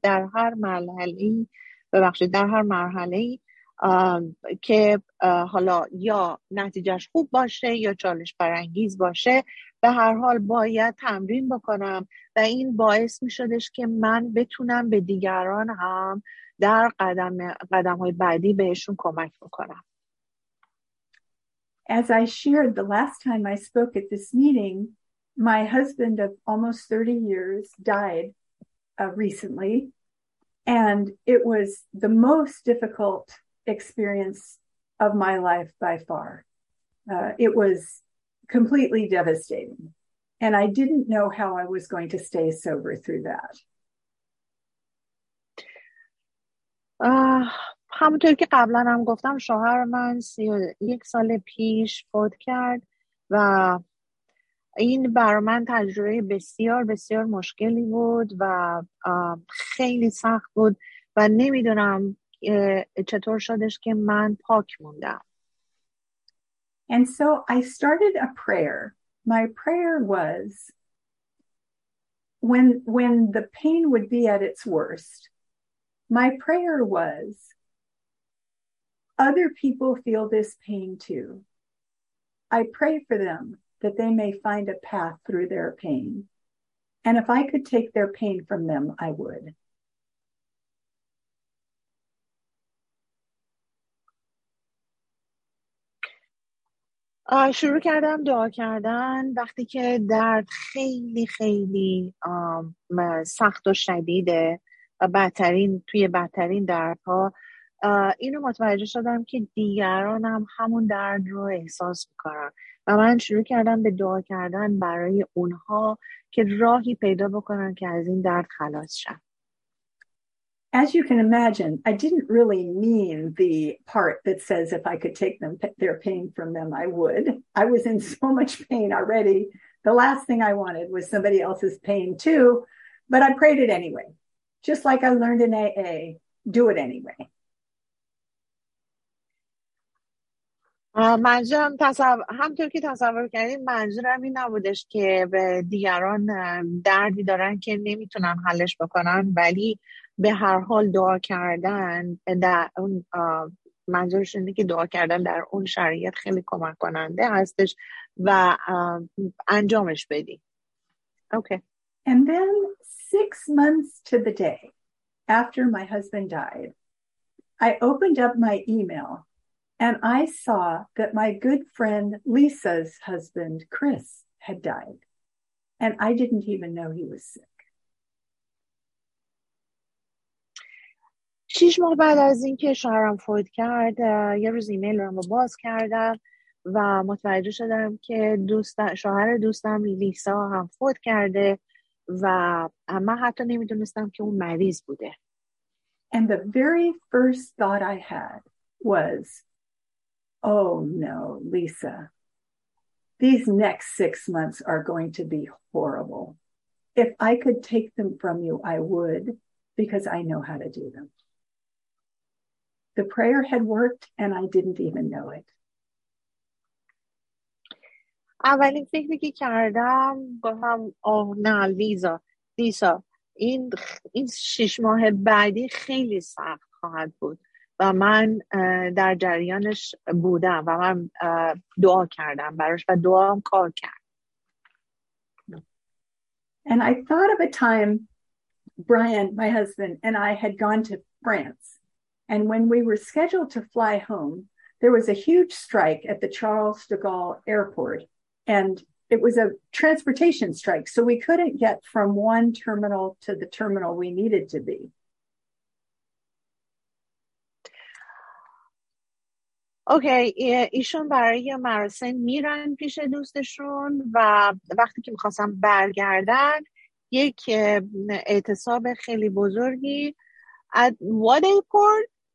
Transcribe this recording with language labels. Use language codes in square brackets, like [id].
[fa] در هر مرحله‌ای، ببخشید، در هر مرحله‌ای که حالا یا نتیجهش خوب باشه یا چالش برانگیز باشه، به هر حال باید تمرین بکنم و این باعث می شدش که من بتونم به دیگران هم در قدم‌های بعدی بهشون کمک بکنم. [en] As I shared the last time I spoke at this meeting, my husband of almost 30 years died recently, and it was the most difficult experience of my life by far. It was completely devastating, and I didn't know how I was going to stay sober through that. [fa] همونطور که قبلا هم گفتم، شوهر من 31 سال پیش فوت کرد و این برای من تجربه بسیار بسیار مشکلی بود و خیلی سخت بود و نمیدونم چطور شدش که من پاک موندم. [en] And so I started a prayer. My prayer was when the pain would be at its worst. My prayer was other people feel this pain too. I pray for them that they may find a path through their pain. And if I could take their pain from them, I would. [fa] شروع کردم دعا کردن وقتی که درد خیلی خیلی سخت و شدیده و بدترین توی بدترین دردها، اینو متوجه شدم که دیگرانم همون درد رو احساس میکنن و من شروع کردم به دعا کردن برای اونها که راهی پیدا بکنن که از این درد خلاص شن. [en] As you can imagine, I didn't really mean the part that says if I could take them their pain from them, I would. I was in so much pain already. The last thing I wanted was somebody else's pain too, but I prayed it anyway. Just like I learned in AA, do it anyway. [fa] منظورم همطور که تصور کردیم، منظورم این نبودش که به دیگران دردی دارن که نمیتونن حلش بکنن، ولی به هر حال دعا کردن در اون، منظورش اینه که دعا کردن در اون شرایط خیلی کمک کننده هستش و انجامش بدیم. [en] Okay. And then 6 months to the day after my husband died, I opened up my email and I saw that my good friend Lisa's husband, Chris, had died. And I didn't even know he was sick. [fa] 6 ماه بعد از اینکه شوهرم فوت کرد، یه روز ایمیل رو باز کردم و متوجه شدم که شوهر دوستم لیسا هم فوت کرده و من حتی نمیدونستم که اون مریض بوده. [en] And the very first thought I had was, oh no, Lisa, these next 6 months are going to be horrible. If I could take them from you, I would, because I know how to do them. The prayer had worked and I didn't even know it. [fa] اولین فکری که کردم گفتم اوه نه لیزا این 6 ماه بعدی خیلی سخت خواهد بود و من در جریانش بودم و من دعا کردم براش و دعام کار کرد. [en] And I thought of a time Brian, my husband, and I had gone to France. And when we were scheduled to fly home, there was a huge strike at the Charles de Gaulle airport. And it was a transportation strike, so we couldn't get from one terminal to the terminal we needed to be. [fa] اوکی ایشون برای مراسم میرن پیش دوستشون و وقتی که میخواستن برگردن یک اعتصاب خیلی بزرگی [en] at what airport?